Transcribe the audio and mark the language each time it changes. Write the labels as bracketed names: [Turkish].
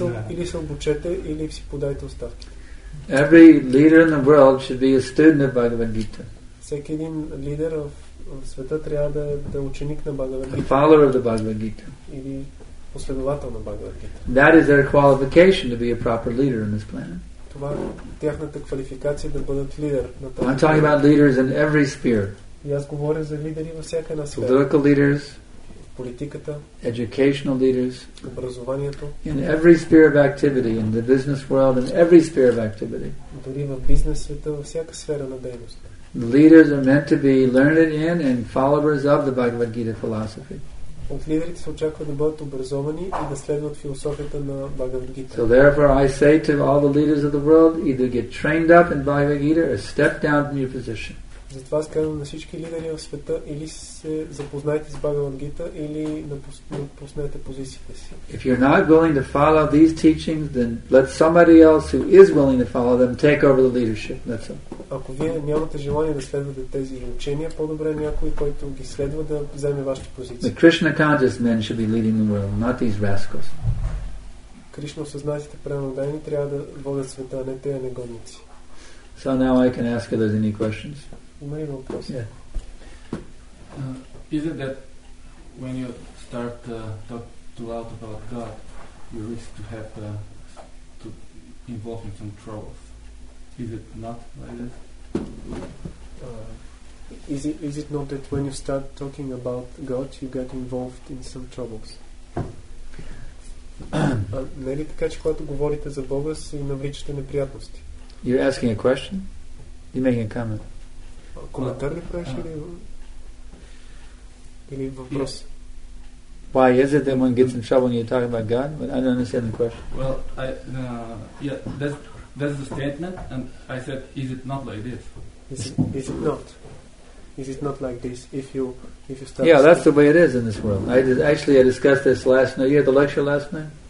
[Bulgarian] Или се обучете, или си подайте оставки. [English] Every leader in the world should be a student of Bhagavad Gita. [Bulgarian] Всеки един лидер в света трябва да е ученик на Бхагавад Гита. [English] A follower of the Bhagavad Gita. [Bulgarian] Или последовател на Бхагавад Гита. [English] That is their qualification to be a proper leader in this planet. [Bulgarian] Това е тяхната квалификация да бъдат лидер на тази. [English] I'm talking about leaders in every sphere. [Bulgarian] И аз говоря за лидери във всяка една сфера. [English] Political leaders, [Bulgarian] политиката, [English] educational leaders, [Bulgarian] образованието, [English] in every sphere of activity, in the business world, in every sphere of activity. [Bulgarian] Дори в бизнес света, във всяка сфера на дейност. [English] The leaders are meant to be learned in and followers of the Bhagavad Gita philosophy. [Bulgarian] От лидерите се очаква да бъдат образовани и да следват философията на Бхагавад Гита. [English] So therefore I say to all the leaders of the world, either get trained up in Bhagavad Gita or step down from your position. [Bulgarian] Затова аз казвам на всички лидери в света, или се запознайте с Бхагавад Гита, или напуснете позициите си. [English] If you're not willing to follow these teachings, then let somebody else who is willing to follow them take over the leadership. That's all. [Bulgarian] Ако вие нямате желание да следвате тези учения, по-добре някой, който ги следва, да вземе вашите позиции. [English] The Krishna conscious men should be leading the world, not these rascals. [Bulgarian] Кришна осъзнатите преродени трябва да водят света, а не тези негодници. [English] So now I can ask if there's any questions. Is it that when you start talk too loud about God, you risk to have to involve in some troubles? Is it not like that? Is it not that when you start talking about God, you get involved in some troubles? [Bulgarian] Не ли така, че когато говорите за Бога, си навличате неприятности? [English] You're asking a question? You're making a comment? [Bulgarian] Коментар ли правиш или въпрос? [English] Why is it that one gets in trouble when you talk about God? I don't understand the question. Well, that's the statement, and I said, is it not like this? Is it not like this? If you start. Yeah, that's the way it is in this world. I discussed this last night. You had the lecture last night.